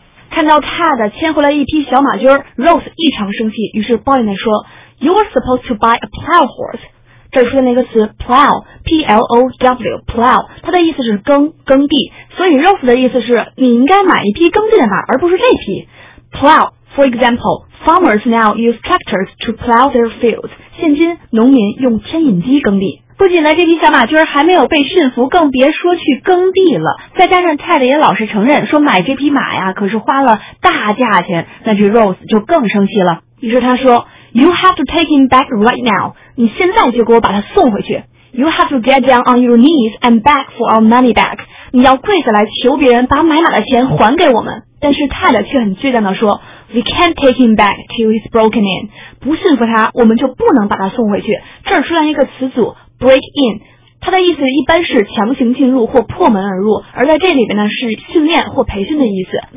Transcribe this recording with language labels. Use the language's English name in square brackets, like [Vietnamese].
[Chinese] 看到 Ted 牵回来一匹小马驹 ，Rose 异常生气，于是抱怨地说 ： [English] “You were supposed to buy a plow horse。” [Chinese] 这里出现了一个词 ，plow, P-L-O-W, plow， 它的意思是耕，耕地。所以 Rose 的意思是，你应该买一匹耕地的马，而不是这匹 plow。 [English] For example, farmers now use tractors to plow their fields. [Chinese] 现今农民用牵引机耕地。不仅呢这匹小马驹还没有被驯服，更别说去耕地了。再加上 Ted 也老实承认说买这匹马呀可是花了大价钱，那这 Rose 就更生气了。于是他说 [English] You have to take him back right now. [Chinese] 你现在就给我把他送回去。 [English] You have to get down on your knees and beg for our money back. [Chinese] 你要跪下来求别人把买马的钱还给我们。但是 Ted 却很倔强地说 [English] We can't take him back till he's broken in. [Chinese] 不驯服他我们就不能把他送回去。这儿出现一个词组Break in， 它的意思一般是强行进入或破门而入，而在这里边呢是训练或培训的意思。